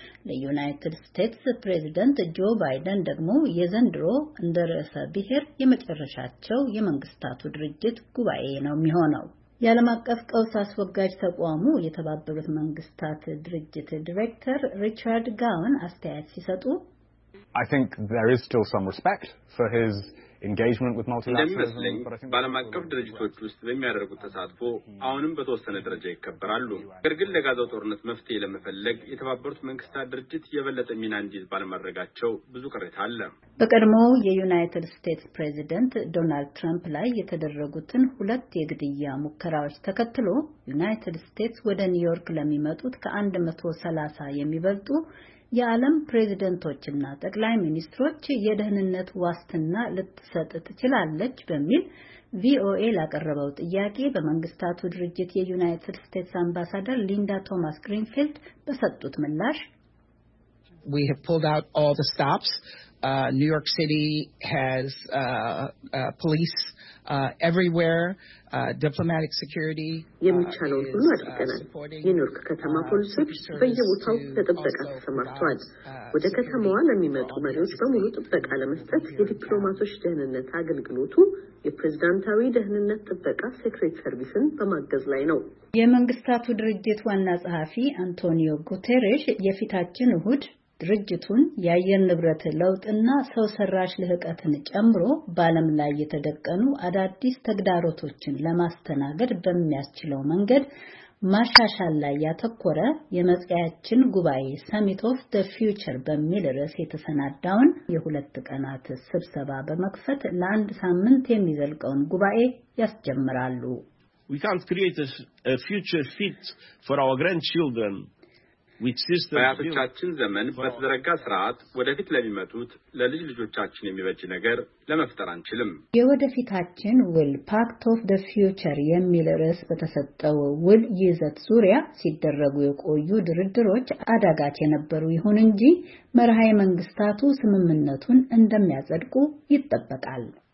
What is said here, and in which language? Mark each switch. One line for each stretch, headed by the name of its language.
Amharic: ለዩናይትድ ስቴትስ ፕሬዚደንት ጆ ባይደን ደግሞ የዘንድሮ እንደ ርዕሰ ብሔር የመጨረሻቸው የመንግስታቱ ድርጅት ጉባኤ ነው የሚሆነው። የዓለም አቀፍ ቀውስ አስወጋጅ ተቋሙ የተባበሩት መንግስታት ድርጅት ዲሬክተር ሪቻርድ ጋውን አስተያየት ሲሰጡ
English: I think there is still some respect for his engagement with multilateralism but I think
Amharic: ባለማቀፍ ድርጅቶች ውስጥ የሚያደርጉት ተሳትፎ አሁንም በተወሰነ ደረጃ ይከበራሉ። ነገር ግን ለጋዛ ጦርነት መፍትሄ ለመፈለግ የተባበሩት መንግስታት ድርጅት የበለጠ ሚና እንዲይዝ ባለማድረጋቸው ብዙ ቅሬታ አለ። በቀድሞው የዩናይትድ ስቴትስ ፕሬዚደንት ዶናልድ ትራምፕ ላይ የተደረጉትን ሁለት የግድያ ሙከራዎች ተከትሎ ዩናይትድ ስቴትስ ወደ ኒውዮርክ ለሚመጡት ከ130 የሚበልጡ የዓለም ፕሬዝደንቶችና ጠቅላይ ሚኒስትሮች የደህንነት ዋስትና ልትሰጥ ትችላለች በሚል ቪኦኤ ላቀረበው ጥያቄ በመንግስታቱ ድርጅት የዩናይትድ ስቴትስ አምባሳደር ሊንዳ ቶማስ ግሪንፊልድ በሰጡት ምላሽ
English: We have pulled out all the stops. New York City has police everywhere. Diplomatic security
Amharic: የሚቻለውን ሁሉ አድርገናል። የኒውዮርክ ከተማ ፖሊሶች በየቦታው ለጥበቃ ተሰማርተዋል። ወደ ከተማዋ ለሚመጡ መሪዎች በሙሉ ጥበቃ ለመስጠት የዲፕሎማቶች ደህንነት አገልግሎቱ የፕሬዝዳንታዊ ደህንነት ጥበቃ ሴክሬት ሰርቪስን በማገዝ ላይ ነው። የመንግስታቱ ድርጅት ዋና ጸሐፊ አንቶኒዮ ጉቴሬሽ የፊታችን እሁድ ድርጅቱን የአየር ንብረት ለውጥና ሰው ሰራሽ ልህቀትን ጨምሮ በዓለም ላይ የተደቀኑ አዳዲስ ተግዳሮቶችን ለማስተናገድ በሚያስችለው መንገድ ማሻሻል ላይ ያተኮረ የመጽያችን ጉባኤ ሰሚት ኦፍ ዘ ፊውቸር በሚል ርዕስ የተሰናዳውን የሁለት ቀናት ስብሰባ በመክፈት ለአንድ ሳምንት የሚዘልቀውን ጉባኤ ያስጀምራሉ።
English: We can't create a future fit for our grandchildren.
Amharic: በአያቶቻችን ዘመን በተዘረጋ ስርዓት ወደፊት ለሚመጡት ለልጅ ልጆቻችን የሚበጅ ነገር ለመፍጠር አንችልም። የወደፊታችን ውል ፓክት ኦፍ ዘ ፊውቸር የሚል ርዕስ በተሰጠው ውል ይዘት ዙሪያ ሲደረጉ የቆዩ ድርድሮች አዳጋች የነበሩ ይሁን እንጂ መርሃዊ መንግስታቱ ስምምነቱን እንደሚያጸድቁ ይጠበቃል።